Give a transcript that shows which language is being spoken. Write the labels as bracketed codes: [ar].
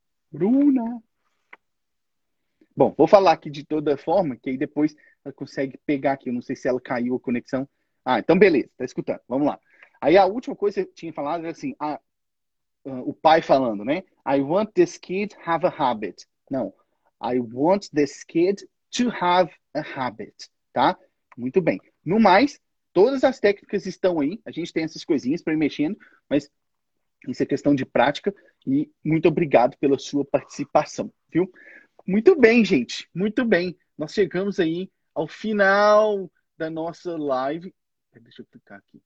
[pt] Bruna. Bom, vou falar aqui de toda forma, que aí depois ela consegue pegar aqui. Eu não sei se ela caiu a conexão. Ah, então beleza, tá escutando. Vamos lá. Aí a última coisa que você tinha falado era assim, o pai falando, né? [en] I want this kid to have a habit. [pt] Não. [en] I want this kid to have a habit. [pt] Tá? Muito bem. No mais, todas as técnicas estão aí. A gente tem essas coisinhas para ir mexendo, mas... Isso é questão de prática e muito obrigado pela sua participação, viu? Muito bem, gente, muito bem. Nós chegamos aí ao final da nossa live. Deixa eu clicar aqui.